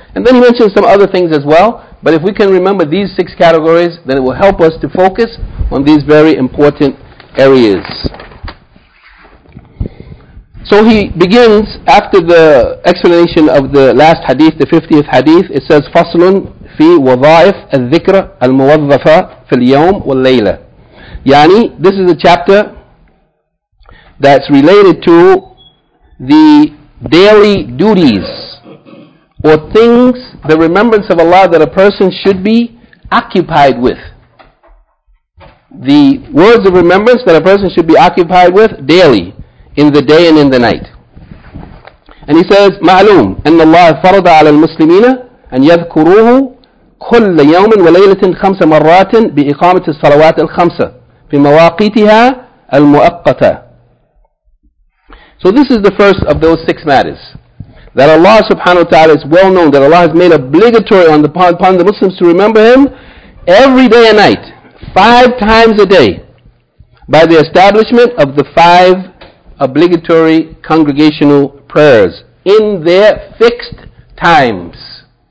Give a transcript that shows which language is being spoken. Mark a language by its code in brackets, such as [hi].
[en] And then he mentions some other things as well, but if we can remember these six categories, then it will help us to focus on these very important areas. So he begins after the explanation of the last hadith, the 50th hadith. It says, [ar] فَصْلٌ فِي وَظَائِفَ الذِّكْرَ الْمُوَظَّفَ فِي الْيَوْمِ وَالْلَيْلَةِ. [en] Yani, this is a chapter that's related to the daily duties or things, the remembrance of Allah that a person should be occupied with. The words of remembrance that a person should be occupied with daily, in the day and in the night. And he says, [ar] معلوم أن الله فرض على المسلمين أن يذكروه كل يوم وليلة خمس مرات بإقامة الصلوات الخمسة في مواقيتها المؤقتة. [en] So this is the first of those six matters. That Allah subhanahu wa ta'ala is well known, that Allah has made obligatory upon the Muslims to remember Him every day and night, five times a day, by the establishment of the five obligatory congregational prayers in their fixed times.